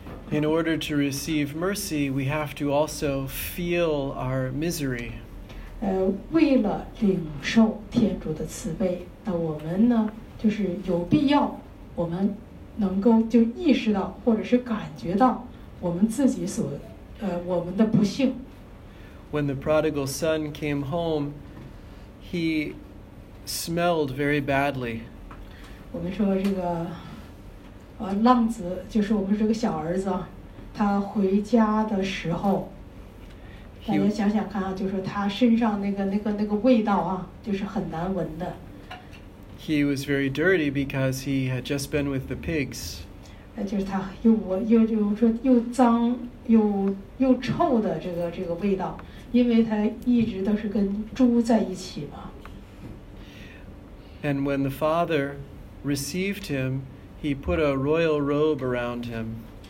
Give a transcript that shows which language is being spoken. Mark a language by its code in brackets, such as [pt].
[en] In order to receive mercy, we have to also feel our misery. [zh] 为了领受天主的慈悲，那我们呢，就是有必要，我们能够就意识到，或者是感觉到我们自己所，我们的不幸。 [en] When the prodigal son came home, he smelled very badly. [zh] 我们说这个，浪子就是我们这个小儿子，他回家的时候，大家想想看啊，就是他身上那个味道啊，就是很难闻的。 [en] He was very dirty because he had just been with the pigs. [zh] 就是他又脏又臭的这个味道，因为他一直都是跟猪在一起嘛。 [en] And when the father received him, he put a royal robe around him.